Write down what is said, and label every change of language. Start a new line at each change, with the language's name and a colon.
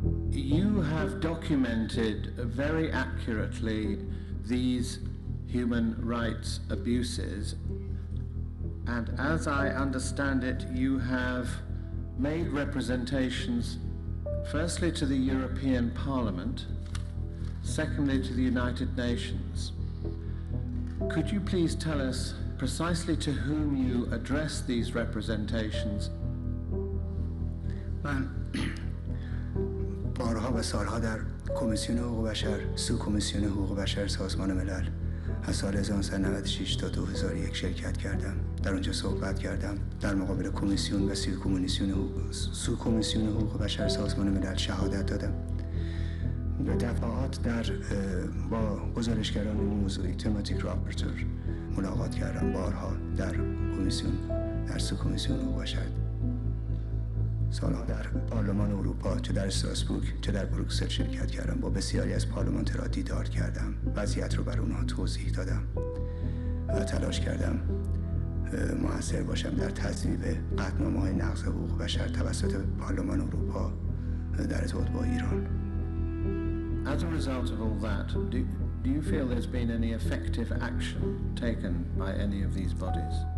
English: You have documented very accurately these human rights abuses, and as I understand it, you have made representations firstly to the European Parliament, secondly to the United Nations. Could you please tell us precisely to whom you address these representations?
Persian: بارها و سالها در کمیسیون حقوق بشر، سو کمیسیون حقوق بشر سازمان ملل از سال 1996 تا 2001 شرکت کردم. در اونجا صحبت کردم، در مقابل کمیسیون و سو کمیسیون حقوق بشر سازمان ملل شهادت دادم. به دفعات در با گزارشگران موضوعی تماتیک راپورتر ملاقات کردم. بارها در کمیسیون، در سو کمیسیون حقوق بشر، سالها در پارلمان اروپا، چه در استراسبورگ چه در بروکسل شرکت کردم. با بسیاری از پارلمانترها دیدار کردم، وضعیت رو بر اونها توضیح دادم و تلاش کردم موثر باشم در تصویب قطعنامه‌های نقض حقوق بشر توسط پارلمان اروپا در ارتباط با ایران.
English: As a result of all that, do you feel there's been any effective action taken by any of these bodies?